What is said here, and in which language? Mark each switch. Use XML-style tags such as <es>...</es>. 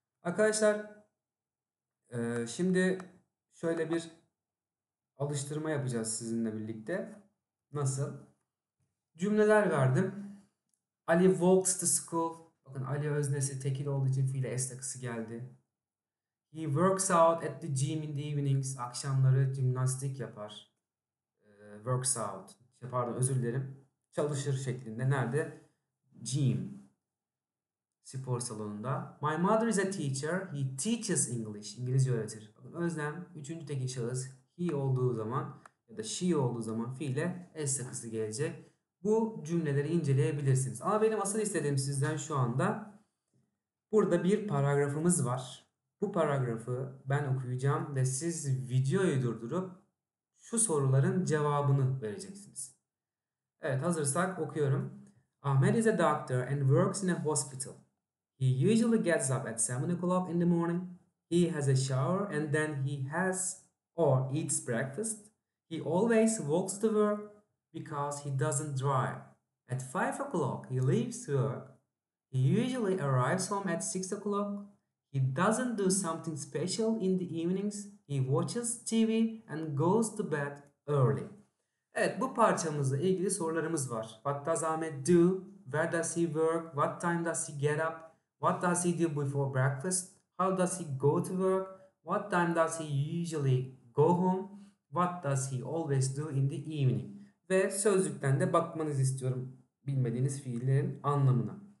<tr>Arkadaşlar, şimdi şöyle bir alıştırma yapacağız sizinle birlikte. Nasıl? Cümleler verdim.</tr> <en>Ali walks to school.</en> <tr>Bakın Ali öznesi tekil olduğu için fiile es takısı geldi.</tr> <en>He works out at the gym in the evenings.</en> <tr>Akşamları jimnastik yapar.</tr> <en>Works out.</en> <tr>Pardon, özür dilerim. Çalışır şeklinde. Nerede? Gym. Spor salonunda.</tr> <en>My mother is a teacher. He teaches English.</en> <tr>İngilizce öğretir. Bakın öznem, üçüncü tekil şahıs. He olduğu zaman ya da she olduğu zaman fiile es takısı gelecek. Bu cümleleri inceleyebilirsiniz. Ama benim asıl istediğim sizden şu anda burada bir paragrafımız var. Bu paragrafı ben okuyacağım ve siz videoyu durdurup şu soruların cevabını vereceksiniz. Evet, hazırsak okuyorum.</tr> <en>Ahmet is a doctor and works in a hospital. He usually gets up at 7 o'clock in the morning. He has a shower and then he has or eats breakfast. He always walks to work because he doesn't drive. At 5 o'clock he leaves work. He usually arrives home at 6 o'clock. He doesn't do something special in the evenings. He watches TV and goes to bed early.</en> <tr>Evet, bu parçamızla ilgili sorularımız var.</tr> <en>What does Ahmet do? Where does he work? What time does he get up? What does he do before breakfast? How does he go to work? What time does he usually go home? What does he always do in the evening?</en> <tr>Ve sözlükten de bakmanızı istiyorum bilmediğiniz fiillerin anlamına.</tr>